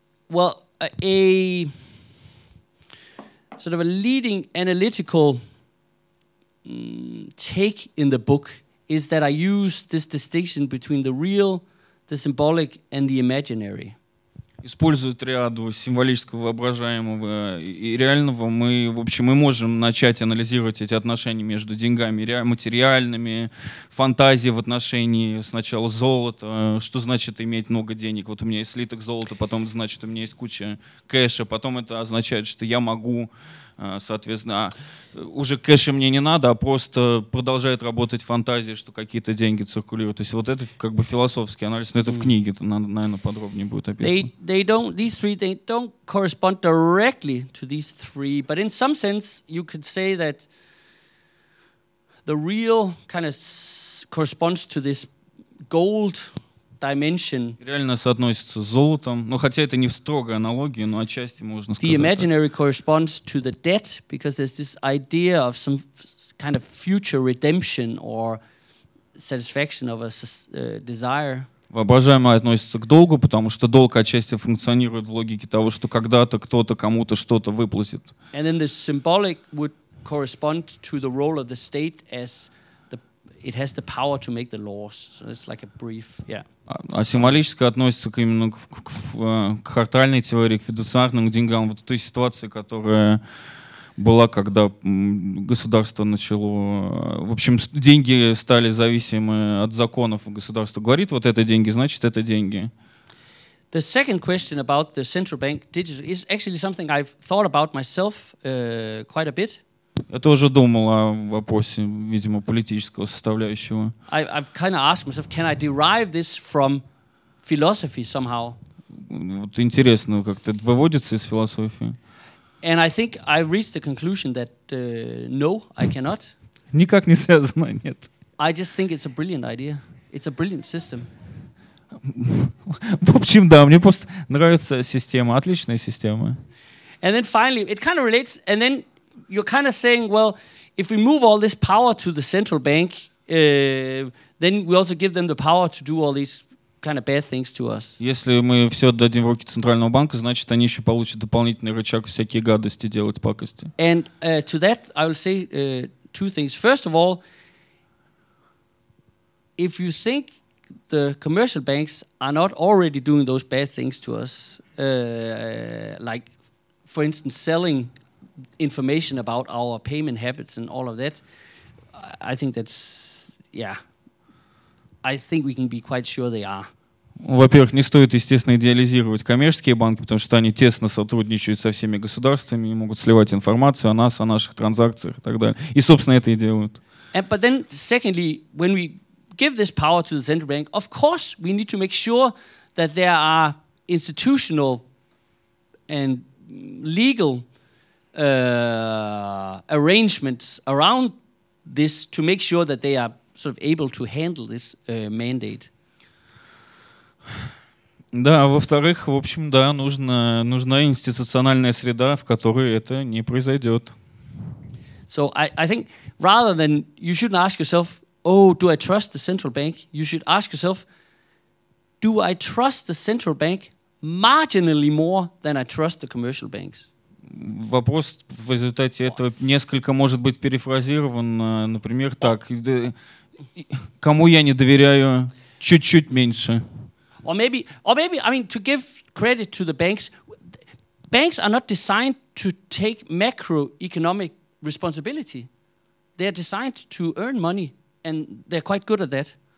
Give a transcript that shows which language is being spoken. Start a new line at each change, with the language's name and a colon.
English: well, a sort of a leading analytical take in the book is that I use this distinction between the real, the symbolic, and the imaginary.
Russian: Использую триаду символического, воображаемого и реального. Мы, в общем, мы можем начать анализировать эти отношения между деньгами материальными, фантазией в отношении сначала золота. Что значит иметь много денег? Вот у меня есть слиток золота, потом значит, у меня есть куча кэша, потом это означает, что я могу, соответственно, уже кэша мне не надо, а просто продолжает работать фантазия, что какие-то деньги циркулируют. То есть вот это как бы философский анализ, но это в книге, это, наверное, подробнее будет описано.
English: They don't, these three, they don't correspond directly to these three, but in some sense you could say that the real kind of corresponds to this gold dimension.
Russian: Реально соотносится с золотом, но хотя это не строгая аналогия, но отчасти можно сказать.
English: The imaginary corresponds to the debt because there's this idea of some kind of future redemption or satisfaction of a desire.
Russian: Воображаемое относится к долгу, потому что долг отчасти функционирует в логике того, что когда-то кто-то кому-то что-то выплатит.
English: And then the symbolic would correspond to the role of the state as it has the power to make the laws. So it's like a brief, yeah.
Russian: А символическое относится именно к квартальной теории, к федуциарным, к деньгам, вот той ситуации, которая была, когда государство начало... В общем, деньги стали зависимы от законов. Государство говорит, вот это деньги, значит, это деньги.
English: The second question about the central bank digital is actually something I've thought about myself quite a bit.
Russian: Я тоже думал о вопросе, видимо, политического составляющего.
English: I've kind of asked myself, can I derive this from philosophy somehow?
Russian: Вот интересно, как это выводится из философии.
English: And I think I've reached the conclusion that no, I cannot.
Russian: Никак не связано, нет.
English: I just think it's a brilliant idea. It's a brilliant system.
Russian: В общем, да, мне просто нравится система, отличная система.
English: And then finally, it kind of relates, and then you're kind of saying, well, if we move all this power to the central bank, then we also give them the power to do all these kind of bad things to us.
Russian: Если мы все отдадим в руки центрального банка, значит, они еще получат дополнительный рычаг всякие гадости делать, пакости.
English: And to that I will say two things. First of all, if you think the commercial banks are not already doing those bad things to us, like, for instance, selling information about our payment habits and all of that, I think that's, yeah. I think we can be quite sure they are.
Russian: Во-первых, не стоит, естественно, идеализировать коммерческие банки, потому что они тесно сотрудничают со всеми государствами и могут сливать информацию о нас, о наших транзакциях и так далее. И, собственно, это и делают.
English: And, but then, secondly, when we give this power to the central bank, of course, we need to make sure that there are institutional and legal arrangements around this to make sure that they are sort of able to handle this mandate.
Russian: Да, во-вторых, в общем, да, нужна институциональная среда, в которой это не произойдет.
English: So I think rather than you shouldn't ask yourself, oh, do I trust the central bank? You should ask yourself, do I trust the central bank marginally more than I trust the commercial banks?
Russian: Вопрос в результате этого несколько может быть перефразирован, например, так: кому я не доверяю чуть-чуть меньше?
English: Or maybe, I mean, to give credit to the banks, banks are not designed to take macroeconomic responsibility. They are designed to earn money, and they're quite good at that.